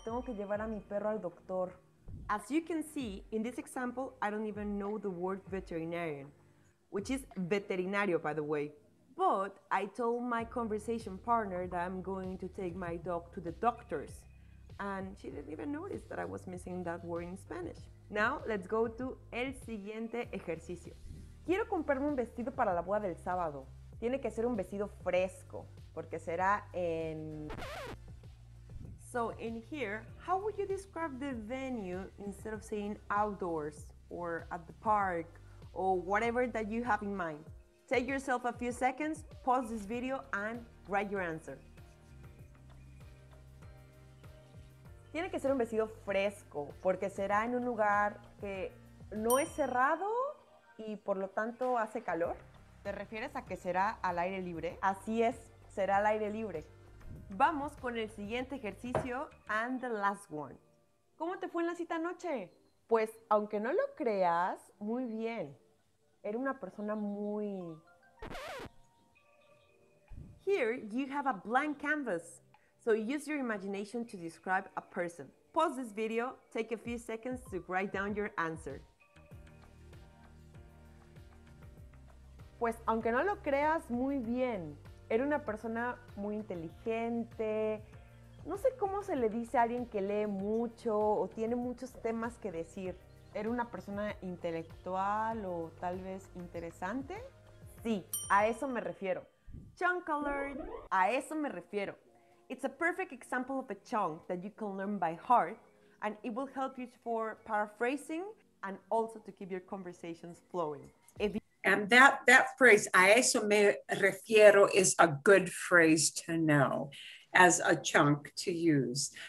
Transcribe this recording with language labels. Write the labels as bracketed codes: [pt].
[es] Tengo que llevar a mi perro al doctor. [en] As you can see, in this example, I don't even know the word veterinarian, which is veterinario, by the way. But I told my conversation partner that I'm going to take my dog to the doctors. And she didn't even notice that I was missing that word in Spanish. Now, let's go to [es] el siguiente ejercicio. Quiero comprarme un vestido para la boda del sábado. Tiene que ser un vestido fresco, porque será en... [en] So in here, how would you describe the venue instead of saying outdoors or at the park or whatever that you have in mind? Take yourself a few seconds, pause this video and write your answer. [es] Tiene que ser un vestido fresco porque será en un lugar que no es cerrado y por lo tanto hace calor. ¿Te refieres a que será al aire libre? Así es, será al aire libre. Vamos con el siguiente ejercicio [en] and the last one. [es] ¿Cómo te fue en la cita anoche? Pues, aunque no lo creas, muy bien. Era una persona muy... [en] Here you have a blank canvas, so use your imagination to describe a person. Pause this video, take a few seconds to write down your answer. [es] Pues, aunque no lo creas, muy bien. Era una persona muy inteligente. No sé cómo se le dice a alguien que lee mucho o tiene muchos temas que decir. ¿Era una persona intelectual o tal vez interesante? Sí, a eso me refiero. [en] Chunk alert. [es] A eso me refiero. [en] It's a perfect example of a chunk that you can learn by heart and it will help you for paraphrasing and also to keep your conversations flowing. And that phrase, [es] a eso me refiero, [en] is a good phrase to know as a chunk to use.